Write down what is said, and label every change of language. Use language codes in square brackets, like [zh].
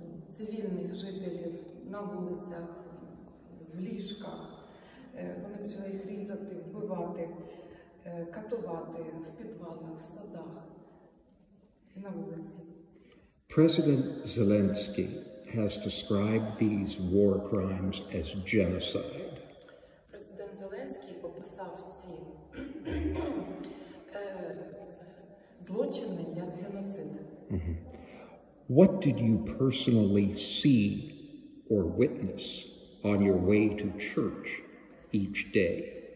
[uk] Цивільних жителів на вулицях, в ліжках. Вони почали їх різати, вбивати, катувати в підвалах, в садах і на вулиці. [en] President Zelensky has described these war crimes as genocide. [uk] Президент Зеленський описав ці злочини як геноцид. [en] What did you personally see or witness on your way to church each day?